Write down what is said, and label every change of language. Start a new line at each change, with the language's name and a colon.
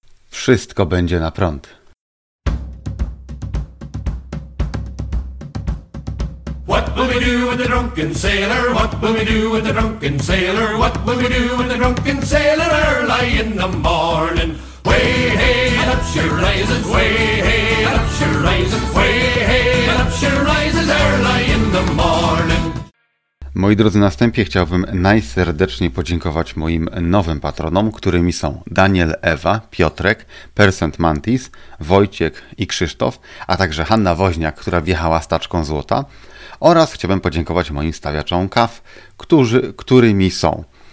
Polish: wszystko będzie na prąd.
English: What will we do with the drunken sailor? What will we do with the drunken sailor? What will we do with the drunken sailor early in the morning? Way hey, and up she rises. Way hey, and up she rises. Way hey, and up she rises early in the morning.
Polish: Moi drodzy, na wstępie chciałbym najserdeczniej podziękować moim nowym patronom, którymi są Daniel, Ewa, Piotrek, Percent Mantis, Wojciech i Krzysztof, a także Hanna Woźniak, która wjechała z taczką złota, oraz chciałbym podziękować moim stawiaczom kaw, którymi są